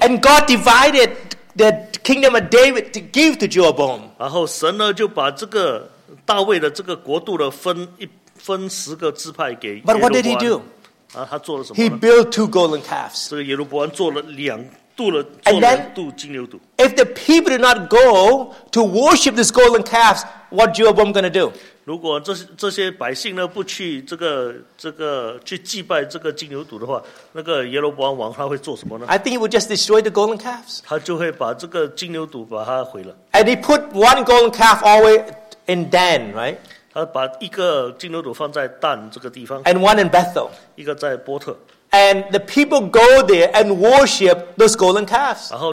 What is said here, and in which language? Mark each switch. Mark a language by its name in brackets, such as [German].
[English] And God divided the kingdom of David to give to Jeroboam. [Chinese] 然后神呢就把这个大卫的这个国度呢分十个支派给耶路伯安。 [English] But what did he do? [Chinese] 他做了什么呢? [English] He built two golden calves. [Chinese] 这个耶路伯安做了两度金牛犊。 [English] If the people do not go to worship these golden calves, what Jeroboam going to do? [Chinese] 如果这些百姓呢不去祭拜这个金牛犊的话，那个耶罗伯安王他会做什么呢？ [English] I think he would just destroy the golden calves. [Chinese] 他就会把这个金牛犊把它毁了。 [English] And he put one golden calf always in Dan, right? [Chinese] 他把一个金牛犊放在但这个地方。 [English] And one in Bethel. [Chinese] 一个在波特。 [English] And the people go there and worship those golden calves.